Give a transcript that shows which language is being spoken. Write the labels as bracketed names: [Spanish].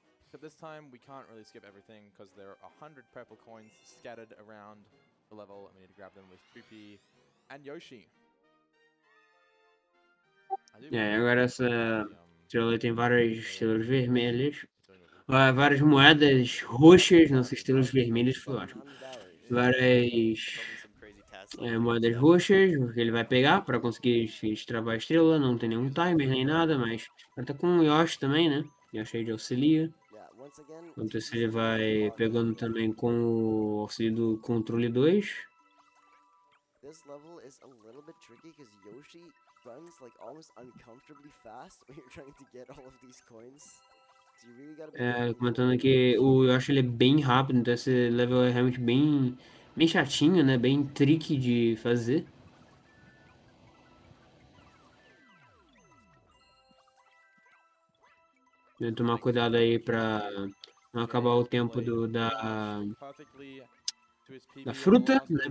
[English] But this time we can't really skip everything because there are 100 purple coins scattered around the level and we need to grab them with Poopy and Yoshi. [Portuguese] Yeah, agora essa estrela tem várias estrelas vermelhas. Várias moedas roxas, nossas estrelas vermelhas foi ótimo. Várias moedas roxas que ele vai pegar para conseguir destravar a estrela. Não tem nenhum timer nem nada, mas ele tá com o Yoshi também, né? Yoshi aí de auxilia. Vamos ver se ele vai pegando também com o auxílio do controle 2. [English] This level is a little bit tricky because Yoshi runs like almost uncomfortably fast when you're trying to get all of these coins. So you really gotta... [Portuguese] comentando aqui, o Yoshi ele é bem rápido, então esse level é realmente bem chatinho, né? Bem tricky de fazer. Tem que tomar cuidado aí pra não acabar o tempo da fruta, né?